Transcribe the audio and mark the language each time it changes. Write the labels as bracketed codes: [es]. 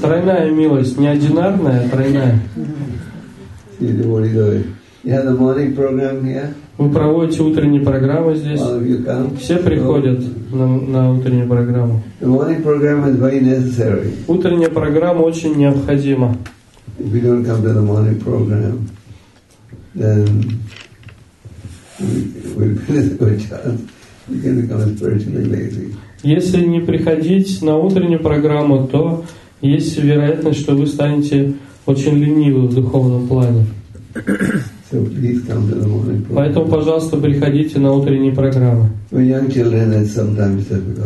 [ru] Тройная милость, не одинарная, а тройная. [en] See the body doing. You have the morning program here. [ru] Вы проводите утреннюю программу здесь. Все приходят на утреннюю программу. [en] The morning program is very necessary. [ru] Утренняя программа очень необходима. [en] If we don't come to the morning program, then we have a chance. We can become spiritually lazy. [ru] Если не приходить на утреннюю программу, то есть вероятность, что вы станете очень ленивы в духовном плане. [en] So please come to the morning program. [ru] Поэтому, пожалуйста, приходите на утренние программы. [en] With young children, it's sometimes difficult.